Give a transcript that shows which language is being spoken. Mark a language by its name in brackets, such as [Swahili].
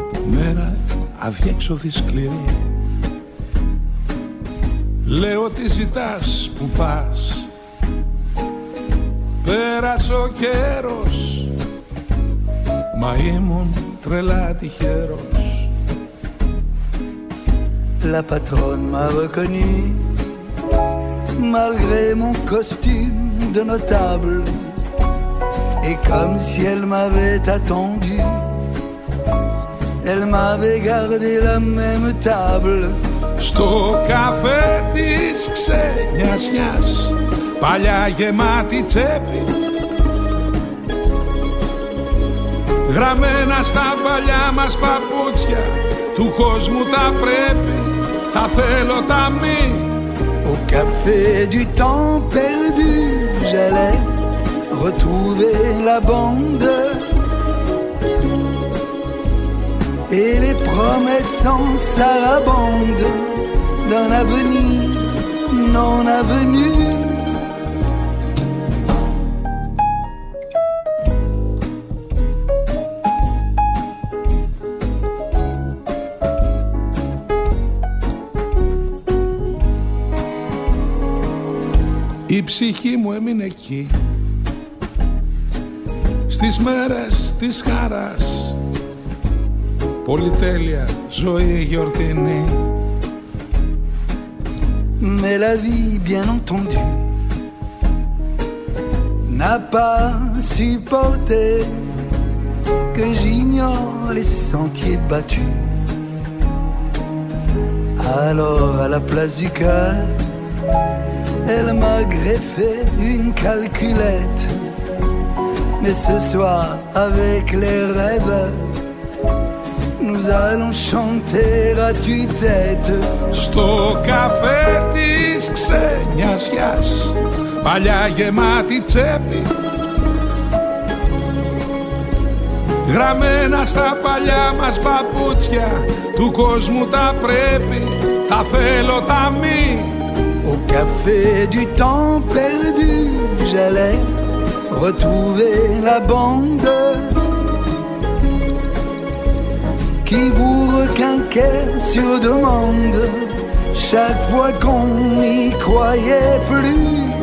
[Greek] Μέρα αδιέξοδη σκληρή. Λέω τι ζητάς που πας. Πέρασε ο καιρός, μα ήμουν τρελά τυχερός. [French] La patronne m'a reconnu malgré mon costume de notable, et comme si elle m'avait attendu, elle m'avait gardé la même table. [Greek] Στο καφέ της ξενιασιάς, παλιά γεμάτη τσέπη, γραμμένα στα παλιά μας παπούτσια, του κόσμου τα πρέπει, τα θέλω τα μη. [French] Au café du temps perdu, j'allais retrouver la bande et les promesses en sarabande d'un avenir non avenu. [Greek] Η ψυχή μου έμεινε εκεί, στις μέρες της χαράς, πολυτέλεια ζωή γιορτινή. [French] Mais la vie, bien entendu, n'a pas supporté que j'ignore les sentiers battus. Alors, à la place du cœur, elle m'a greffé une calculette. Mais ce soir, avec les rêves, nous allons chanter à tue-tête. [Greek] Στο καφέ της ξενιασιάς, παλιά γεμάτη τσέπη, γραμμένα στα παλιά μας παπούτσια, του κόσμου τα πρέπει, τα θέλω τα μη. [French] Au café du temps perdu, j'allais retrouver la bande qui bourrequinquait sur demande chaque fois qu'on n'y croyait plus.